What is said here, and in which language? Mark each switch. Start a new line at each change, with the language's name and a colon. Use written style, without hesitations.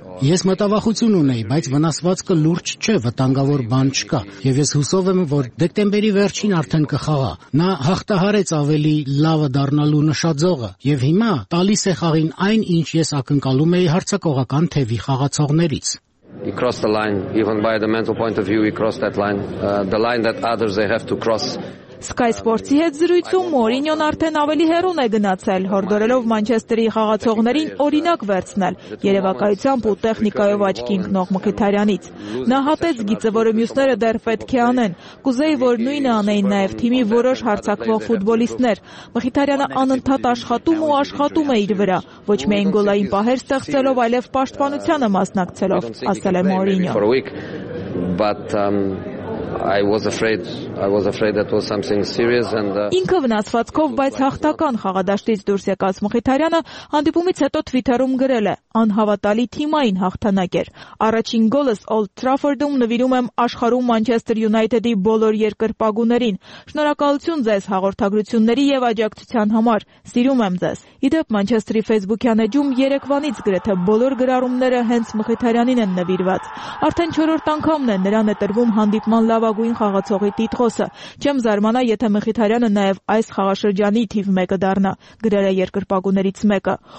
Armenian: Ես մտավախություն ունեի, բայց վնասվածքը լուրջ չէ, վտանգավոր բան չկա, և ես հուսով եմ, որ դեկտեմբերի վերջին արդեն կխաղա։ Նա հաղթահարեց ավելի լավը դառնալու նշաձողը, և հիմա տալիս է խաղին այն, ինչ ես ակնկալում էի հարցակողական թևի խաղացողներից։
English: He crossed the line, even by the mental point of view, he crossed that line, the line that others they have to cross.
Armenian: Sky Sports-ի հետ զրույցում Մորինյոն արդեն ավելի հեռուն է գնացել, հորդորելով Մանչեսթերի խաղացողներին օրինակ վերցնել երևակայությամբ ու տեխնիկայով աչքի ընկնող Մխիթարյանից։ Նա հատեց գիծը, որը մյուսները դեռ պետք է անեն։ Կուզեի, որ նույնը անեին նաև թիմի որոշ հարցակվող ֆուտբոլիստներ։ Մխիթարյանը անընդհատ աշխատում ու աշխատում է իր վրա, ոչ միայն գոլային պահեր ստեղծելով, այլև պաշտպանությանը մասնակցելով, ասել է
English: Մորինյոն։ I was afraid that was something serious and
Armenian: Ինքը վնասվածքով, բայց հաղթական խաղադաշտից դուրս եկած Մխիթարյանը հանդիպումից հետո Twitter-ում գրել է. Անհավատալի թիմային հաղթանակ էր։ Առաջին գոլս Old Trafford-ում նվիրում եմ աշխարհում Manchester United-ի բոլոր երկրպագուներին։ Շնորհակալություն ձեզ հաղորդագրությունների եւ աջակցության համար։ Սիրում եմ ձեզ։ Իդեպ Manchester-ի Facebook-յան էջում Երևանից գրեթե բոլոր գրառումները հենց Մխիթարյանին են նվիրված։ Արդեն 4-րդ անգամն է նրան է տրվում հանդիպման լավագույն խաղացողի տիտղոսը։ Չեմ զարմանա, եթե Մխիթարյանը նաև այս խաղաշրջանի թիվ 1-ը դառնա, գրել է երկրպագուներից մեկը։